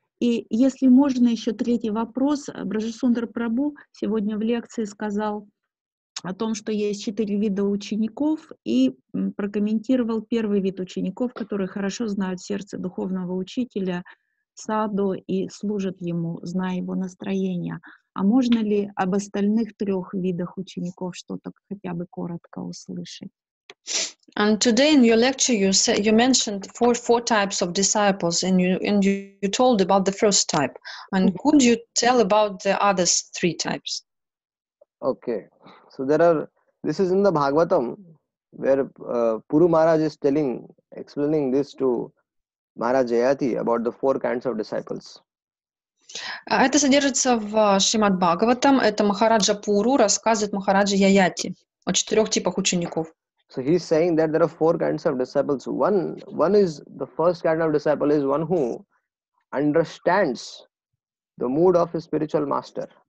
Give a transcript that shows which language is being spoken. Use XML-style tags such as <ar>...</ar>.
<ru>И если можно, еще третий вопрос. Брахмасундар Прабху сегодня в лекции сказал о том, что есть четыре вида учеников, и прокомментировал первый вид учеников, которые хорошо знают сердце духовного учителя, саду, и служат ему, зная его настроение. А можно ли об остальных трех видах учеников что-то хотя бы коротко услышать?</ru> <en>And today in your lecture you said, you mentioned four types of disciples, and you told about the first type. And could you tell about the other three types? Okay, so there are, this is in the Bhagavatam, where Puru Maharaj is telling, explaining this to Maharaj Jayati about the four kinds of disciples.</en> <ru>Это содержится в Шримад Бхагаватам. Это Махараджа Пуру рассказывает Махараджа Яяти о четырех типах учеников.</ru> <en>So he is saying that there are four kinds of disciples. One is, the first kind of disciple is one who understands the mood of his spiritual master.</en>